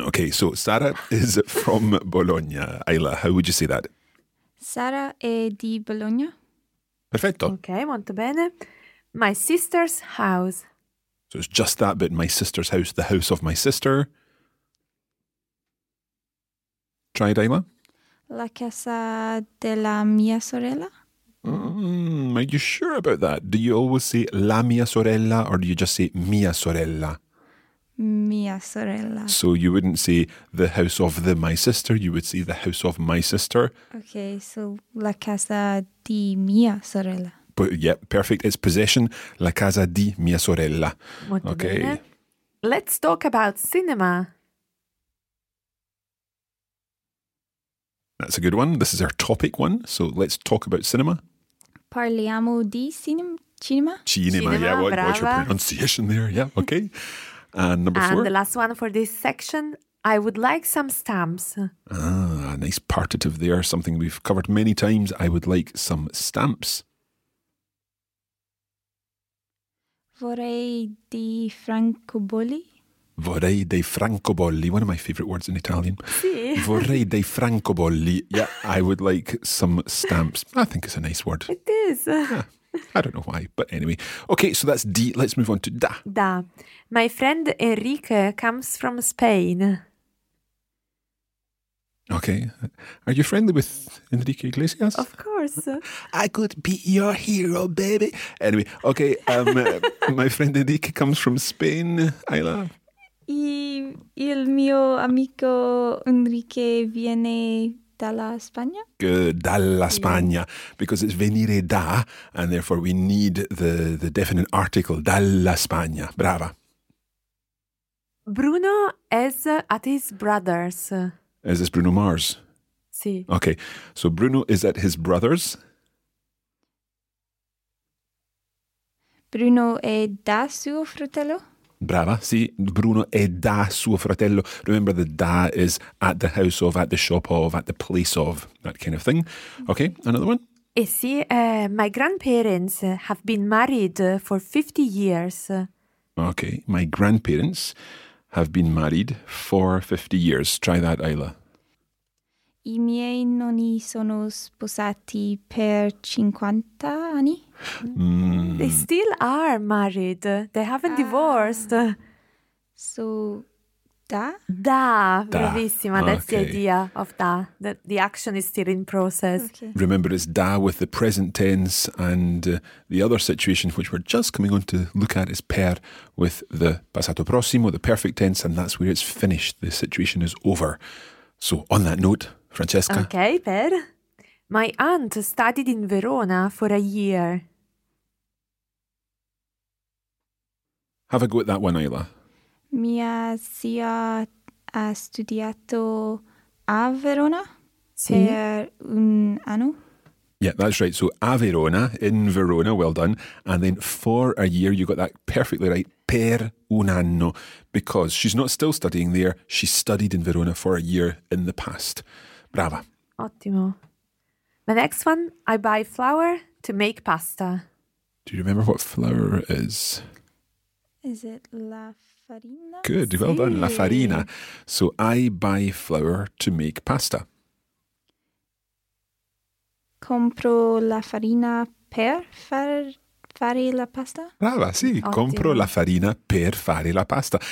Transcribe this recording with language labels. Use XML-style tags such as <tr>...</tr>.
<en>Okay, so Sara is from Bologna. Ayla, how would you say that?</en> <it>Sara è di Bologna. Perfetto.</it> <en>Okay,</en> <it>molto bene.</it> <en>My sister's house. So it's just that bit, my sister's house, the house of my sister. Try it, Ayla.</en> <it>La casa della mia sorella.</it> <en>Are you sure about that? Do you always say</en> <it>la mia sorella</it> <en>or do you just say</en> <it>mia sorella? Mia sorella.</it> <en>So you wouldn't say the house of the my sister, you would say the house of my sister. Okay, so</en> <it>la casa di mia sorella.</it> <en>But yeah, perfect. It's possession,</en> <it>la casa di mia sorella. Molto okay. Bene.</it> <en>Let's talk about cinema. That's a good one. This is our topic one. So let's talk about cinema.</en> <it>Parliamo di cinema?</it> <en>Cinema, yeah. What's your pronunciation there? Yeah, okay. And number four. And the last one for this section, I would like some stamps. Ah, nice partitive there, something we've covered many times. I would like some stamps.</en> <it>Vorrei dei francobolli. Vorrei dei francobolli.</it> <en>One of my favourite words in Italian.</en> <it>Sì. Vorrei dei francobolli.</it> <en>Yeah, I would like some stamps. I think it's a nice word. It is. Yeah, I don't know why, but anyway. Okay, so that's D. Let's move on to Da. Da. My friend Enrique comes from Spain. Okay. Are you friendly with Enrique Iglesias? Of course. I could be your hero, baby. Anyway, okay. my friend Enrique comes from Spain, Ayla.</en> <it>E il mio amico Enrique viene dalla Spagna.</it> <en>Good.</en> <it>Dalla Spagna.</it> <en>Yeah. Because it's</en> <it>venire da,</it> <en>and therefore we need the definite article,</en> <it>dalla Spagna. Brava.</it> <en>Bruno is at his brother's. Is this Bruno Mars? Sì. Okay, so Bruno is at his brother's.</en> <it>Bruno è da suo fratello? Brava, sì, Bruno è da suo fratello.</it> <en>Remember the da is at the house of, at the shop of, at the place of, that kind of thing. Okay, another one.</en> <it>E sì,</it> <en>my grandparents have been married for 50 years. Okay, my grandparents have been married for 50 years. Try that, Ayla.</en> <it>I miei nonni sono sposati per 50 anni.</it> <en>They still are married. They haven't divorced. So, da?</en> <it>Da, bravissima.</it> <en>Okay. That's the idea of da. The action is still in process. Okay. Remember, it's da with the present tense, and the other situation which we're just coming on to look at is per with the passato prossimo, the perfect tense, and that's where it's finished. The situation is over. So, on that note, Francesca. Okay, Per. My aunt studied in Verona for a year. Have a go at that one, Ayla.</en> <it>Mia zia ha studiato a Verona per un anno.</it> <en>Yeah, that's right. So,</en> <it>a Verona,</it> <en>in Verona, well done. And then for a year, you got that perfectly right.</en> <it>Per un anno.</it> <en>Because she's not still studying there. She studied in Verona for a year in the past.</en> <it>Brava. Ottimo.</it> <en>My next one, I buy flour to make pasta. Do you remember what flour is? Is it</en> <it>la farina?</it> <en>Good, well done,</en> <it>la farina.</it> <en>So I buy flour to make pasta.</en> <it>Compro la farina per fare la pasta? Brava, sì. Ottimo. Compro la farina per fare la pasta.</it>